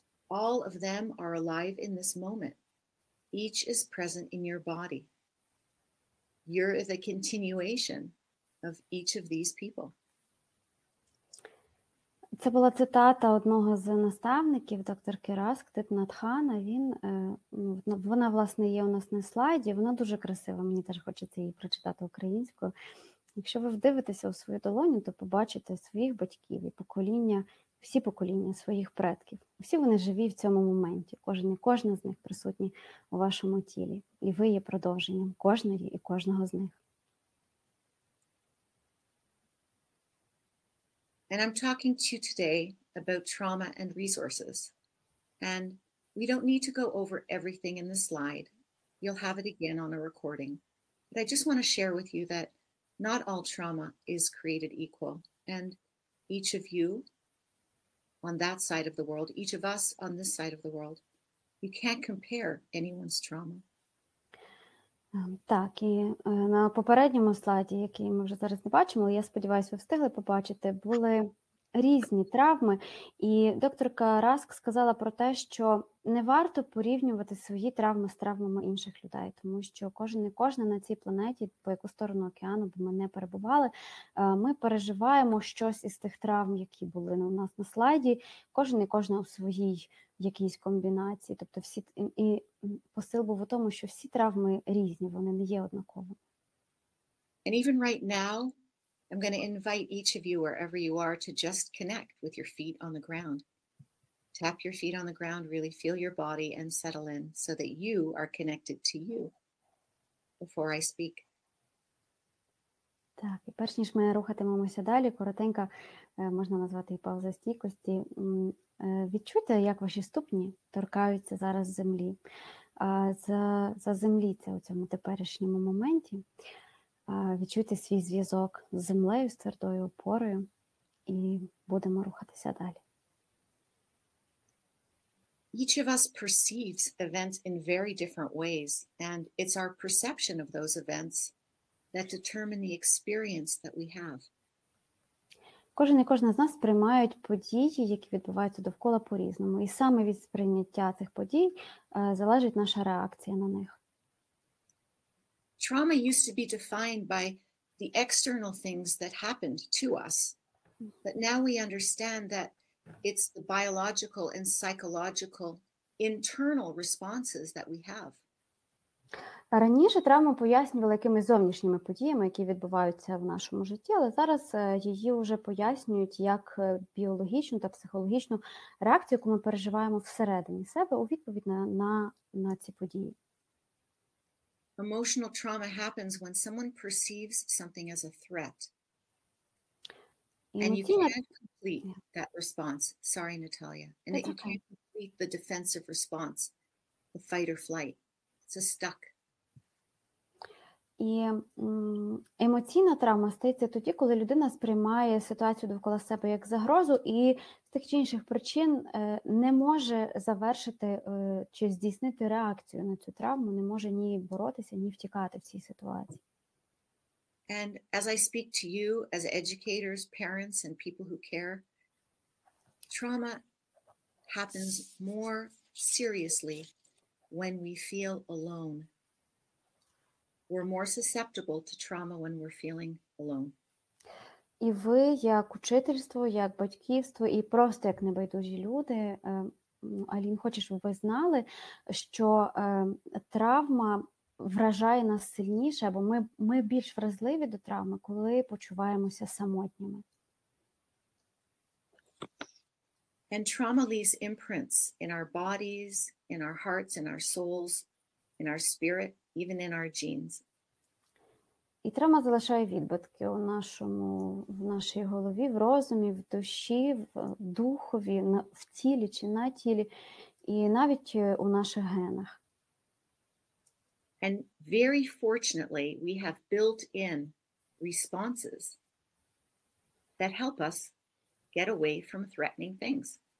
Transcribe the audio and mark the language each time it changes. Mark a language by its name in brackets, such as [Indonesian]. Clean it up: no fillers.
[English] All of them are alive in this moment. Each is present in your body. You're the continuation of each of these people. [Ukrainian] Це була цитата одного з наставників, докторки Раск, Тит Натхана. Вона, власне, є у нас на слайді, вона дуже красива, мені теж хочеться її прочитати українською. Якщо ви вдивитеся у свою долоню, то побачите своїх батьків і покоління, всі покоління своїх предків. Всі вони живі в цьому моменті, кожен і кожна з них присутні у вашому тілі. І ви є продовженням кожної і кожного з них. [English] And I'm talking to you today about trauma and resources. And we don't need to go over everything in the slide. You'll have it again on a recording. But I just want to share with you that not all trauma is created equal. And each of you on that side of the world, each of us on this side of the world, you can't compare anyone's trauma. [Ukrainian] Так, і на попередньому слайді, який ми вже зараз не бачимо, але я сподіваюся, ви встигли побачити, були різні травми. І докторка Раск сказала про те, що не варто порівнювати свої травми з травмами інших людей, тому що кожен і кожна на цій планеті, по яку сторону океану б ми не перебували, ми переживаємо щось із тих травм, які були у нас на слайді, кожен і кожна у своїй якійсь комбінації. Тобто всі, і посил був у тому, що всі травми різні, вони не є однаковими. [English] And even right now, I'm going to invite each of you, wherever you are, to just connect with your feet on the ground. Tap your feet on the ground, really feel your body and settle in so that you are connected to you before I speak. [Ukrainian] Так, і перш ніж ми рухатимемося далі, коротенька, можна назвати і пауза стійкості. Відчуйте, як ваші ступні торкаються зараз землі. А за землі це у цьому теперішньому моменті. Відчуйте свій зв'язок з землею, з твердою опорою, і будемо рухатися далі. [English] Each of us perceives events in very different ways, and it's our perception of those events that determine the experience that we have. [Ukrainian] Кожен і кожна з нас сприймають події, які відбуваються довкола, по-різному. І саме від сприйняття цих подій залежить наша реакція на них. [English] Trauma used to be defined by the external things that happened to us. But now we understand that it's the biological and psychological internal responses that we have. [Ukrainian] Раніше травму пояснювали якимись зовнішніми подіями, які відбуваються в нашому житті, але зараз її вже пояснюють як біологічну та психологічну реакцію, яку ми переживаємо всередині себе у відповідь на ці події. [English] Emotional trauma happens when someone perceives something as a threat. And you can't complete that response. Sorry, Natalia. And that you can't complete the defensive response, the fight or flight. It's stuck. [Ukrainian] І емоційна травма стається тоді, коли людина сприймає ситуацію довкола себе як загрозу і з тих чи інших причин не може завершити чи здійснити реакцію на цю травму, не може ні боротися, ні втікати в цій ситуації. [English] And as I speak to you, as educators, parents, and people who care, trauma happens more seriously when we feel alone. We're more susceptible to trauma when we're feeling alone. [Ukrainian] І ви, як учительство, як батьківство, і просто як небайдужі люди, Алін, хочу, щоб ви знали, що травма вражає нас сильніше, або ми більш вразливі до травми, коли почуваємося самотніми. [English] And trauma leaves imprints in our bodies, in our hearts, in our souls, in our spirit, even in our genes. [Ukrainian] І травма залишає відбитки у нашому, в нашій голові, в розумі, в душі, в духові, в тілі чи на тілі, і навіть у наших генах. [English] And very fortunately, we have built-in responses that help us get away from threatening things.